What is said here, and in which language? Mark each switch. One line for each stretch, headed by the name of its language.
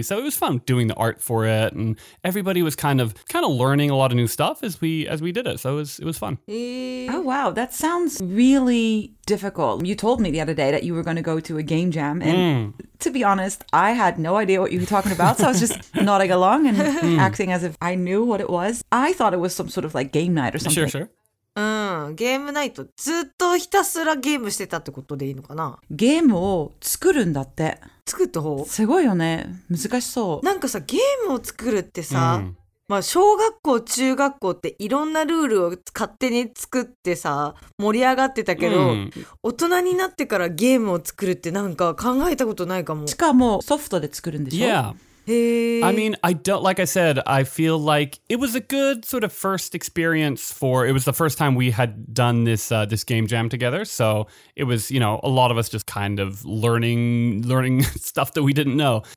English: So it was fun doing the art for it and everybody was kind of learning a lot of new stuff as we did it. So it was fun. Oh wow, that sounds really difficult. You told me the other day that you were going to go to a game jam and to be honest, I had no idea what you were talking about. So I was just nodding along and acting as if I knew what it was. I thought it was some sort of like game night or something. Sure, sure.
Japanese: ゲームナイト、ずっとひたすらゲームしてたってことでいいのかな。ゲームを作るんだって。作った方すごいよね。難しそう。なんかさ、ゲームを作るってさ、まあ小学校中学校っていろんなルールを勝手に作ってさ盛り上がってたけど、大人になってからゲームを作るってなんか考えたことないかも。しかもソフトで作るんでしょ。
English: いや、I mean, I don't, like I said, I feel like it was a good sort of first experience for, it was the first time we had done this, this game jam together. So it was, you know, a lot of us just kind of learning stuff that we didn't know.